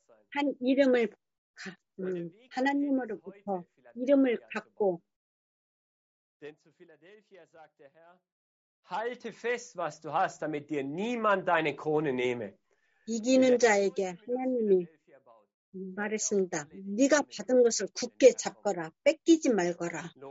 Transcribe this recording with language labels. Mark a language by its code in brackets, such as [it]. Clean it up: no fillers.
[ko] 한 이름을 하나님으로부터 이름을 갖고 [de] Denn zu Philadelphia sagt der Herr, halte fest, was du hast, damit dir niemand deine Krone nehme. [ko] 이기는 자에게 하나님이 말했습니다. 네가 받은 것을 굳게 잡거라, 뺏기지 말거라.